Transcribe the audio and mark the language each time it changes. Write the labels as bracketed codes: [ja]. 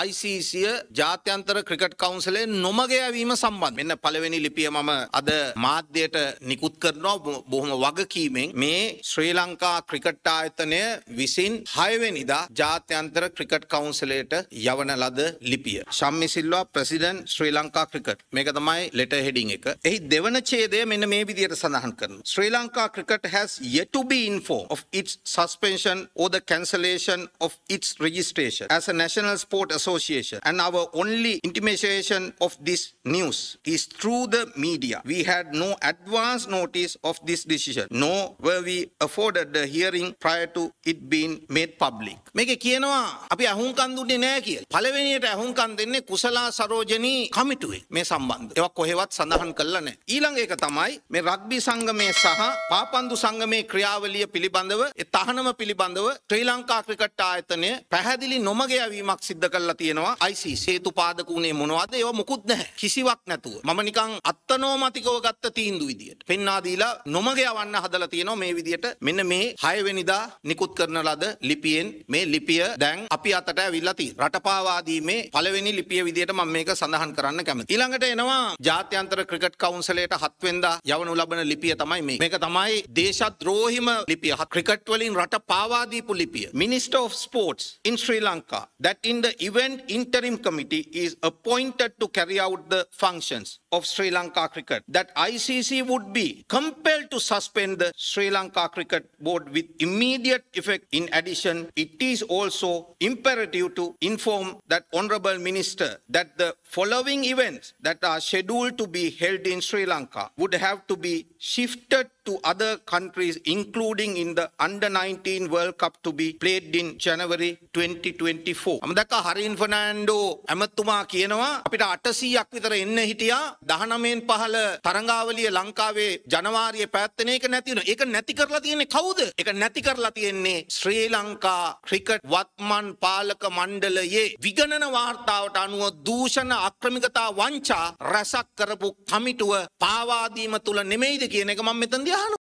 [si] ICC ජාත්‍යන්තර cricket කවුන්සලයේ නොමග යවීම සම්බන්ධ මෙන්න පළවෙනි ලිපිය මම අද මාධ්‍යයට නිකුත් කරනවා. බොහොම වගකීමෙන් මේ ශ්‍රී ලංකා ක්‍රිකට් ආයතනය විසින් 6 වෙනිදා ජාත්‍යන්තර ක්‍රිකට් කවුන්සලයට යවන ලද ලිපිය. ශම්මි සිල්වා ප්‍රෙසිඩන්ට් ශ්‍රී ලංකා ක්‍රිකට්, මේක තමයි ලෙටර් හෙඩින් එක. එහි දෙවන ඡේදය මෙන්න මේ විදිහට සඳහන් කරනවා. [en] Sri Lanka cricket has yet to be informed of its suspension or the cancellation of its registration as a national sport association, and our only intimation of this news is through the media. We had no advance notice of this decision, nor were we afforded the hearing prior to it being made public. [si] මේක කියනවා අපි අහුන්කන් දුන්නේ නැහැ කියලා. පළවෙනියට අහුන්කන් දෙන්නේ කුසලා සරෝජනි කමිටුවේ. මේ සම්බන්ධ ඒවා කොහෙවත් සඳහන් කළා නැහැ. ඊළඟ එක තමයි මේ රග්බි සංගමයේ සහ පාපන්දු සංගමයේ ක්‍රියාවලිය පිළිබඳව, ඒ තහනම පිළිබඳව ශ්‍රී ලංකා ක්‍රිකට් ආයතනය පැහැදිලි නොමග යවීමක් සිද්ධ කළා තියෙනවා. ICC හේතු පාදක උනේ මොනවද? ඒව මුකුත් නැහැ. කිසිවක් නැතුව. මම නිකන් අත්නෝමතිකව ගත්ත තීන්දුව විදියට. පෙන්වා දීලා නොමග යවන්න හදලා තියෙනවා මේ විදියට. මෙන්න මේ 6 වෙනිදා නිකුත් කරන ලද ලිපියෙන් මේ ලිපිය දැන් අපි අතට ඇවිල්ලා තියෙනවා. රටපාවාදීමේ පළවෙනි ලිපිය විදියට මම මේක සඳහන් කරන්න කැමතියි. ඊළඟට එනවා ජාත්‍යන්තර ක්‍රිකට් කවුන්සලයට 7 වෙනිදා යවනු ලබන ලිපිය තමයි මේ. මේක තමයි දේශද්‍රෝහිම ලිපිය. ක්‍රිකට් වලින් රට පාවා දීපු ලිපිය. [en] Minister of Sports in Sri Lanka that in the event interim committee is appointed to carry out the functions of Sri Lanka cricket, that ICC would be compelled to suspend the Sri Lanka cricket board with immediate effect. In addition, it is also imperative to inform that honorable minister that the following events that are scheduled to be held in Sri Lanka would have to be shifted to other countries, including in the under 19 world cup to be played in January 2024. [si] අම දැක්ක හරින් ෆර්නැන්ඩෝ ඇමතුමා කියනවා අපිට 800ක් විතර එන්න හිටියා 19 පහල තරඟාවලිය ලංකාවේ ජනවාරියේ පැවැත්වෙන එක නැති වෙනවා. ඒක නැති කරලා තියෙන්නේ කවුද? ඒක නැති කරලා තියෙන්නේ ශ්‍රී ලංකා ක්‍රිකට් වත්මන් පාලක මණ්ඩලයේ විගණන වාර්තාවට අනුව දූෂණ අක්‍රමිකතා වංචා රැසක් කරපු කමිටුව පාවා දීම තුල නෙමෙයිද කියන එක මම මෙතනදී අහනවා.